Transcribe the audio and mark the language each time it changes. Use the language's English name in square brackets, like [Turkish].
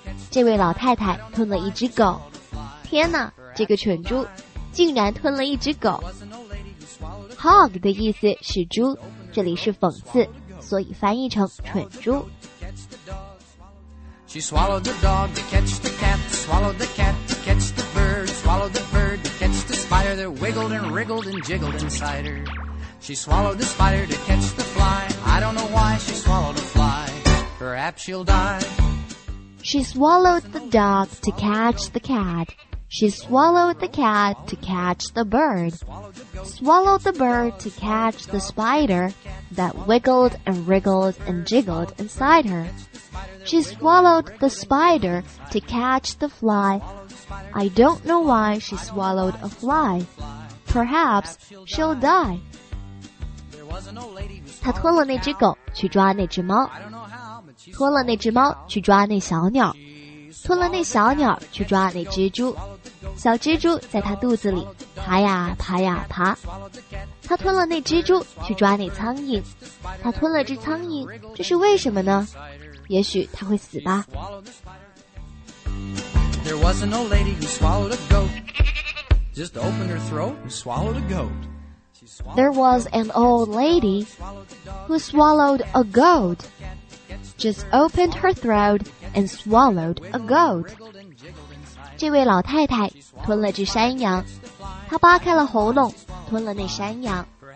[Chinese] 这位老太太吞了一只狗。天哪，这个蠢猪竟然吞了一只狗。 Hog 的意思是猪，这里是讽刺，所以翻译成蠢猪。 [English] She swallowed the dog to catch the cat, swallowed the cat to catch the bird, swallowed the bird to catch the spider, that wiggled and wriggled and jiggled inside her. She swallowed the spider to catch the fly, I don't know why she swallowed a fly. Perhaps she'll die. She swallowed the dog to catch the cat. She swallowed the cat to catch the bird. Swallowed the bird to catch the spider that wiggled and wriggled and jiggled inside her. She swallowed the spider to catch the fly. I don't know why she swallowed a fly. Perhaps she'll die. [Chinese] 她吞了那只狗去抓那只猫。吞了那只猫去抓那小鸟，吞了那小鸟去抓那蜘蛛，小蜘蛛在它肚子里爬呀爬呀爬。它吞了那蜘蛛去抓那苍蝇，它吞了只苍蝇，这是为什么呢？也许它会死吧。 [English] There was an old lady who swallowed a goat. Just opened her throat and swallowed a goat. There was an old lady who swallowed a goat. Just opened her throat and swallowed a goat. [Chinese] 这位老太太吞了只山羊，她扒开了喉咙，吞了那山羊。